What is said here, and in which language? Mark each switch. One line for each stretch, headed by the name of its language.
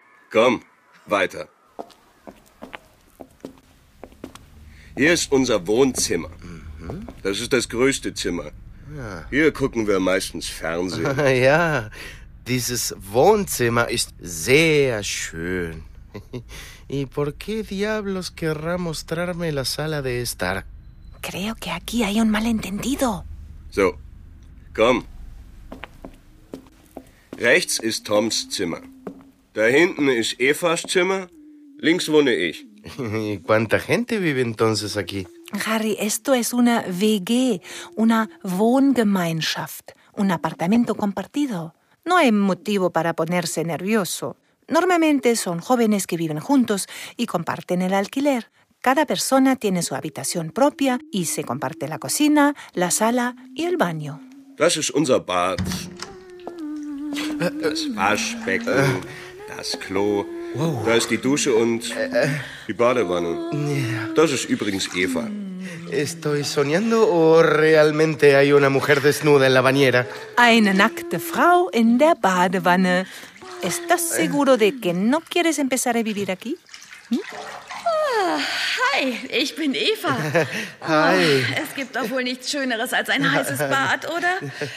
German: Komm, weiter. Hier ist unser Wohnzimmer. Das ist das größte Zimmer. Hier gucken wir meistens Fernsehen. Ja, dieses Wohnzimmer ist sehr schön.
Spanish: ¿Y por qué diablos querrá mostrarme la sala de estar? Creo que aquí hay un malentendido.
German: So, komm. Rechts ist Toms Zimmer. Da hinten ist Evas Zimmer. Links wohne ich.
Spanish: ¿Y cuánta gente vive entonces aquí? Harry, esto es una WG, una Wohngemeinschaft, un apartamento compartido. No hay motivo para ponerse nervioso. Normalmente son jóvenes que viven juntos y comparten el alquiler. Cada persona tiene su habitación propia y se comparte la cocina, la sala y el baño.
German: Das ist unser Bad. Das Waschbecken, das Klo. Wow. Da ist die Dusche und die Badewanne. Das ist übrigens Eva.
Spanish: ¿Estoy soñando o realmente hay una mujer desnuda en la bañera?
German: Eine nackte Frau in der Badewanne.
Spanish: ¿Estás seguro de que no quieres empezar a vivir aquí?
German: Hi, ich bin Eva. Hi. Oh, es gibt doch wohl nichts Schöneres als ein heißes Bad, oder?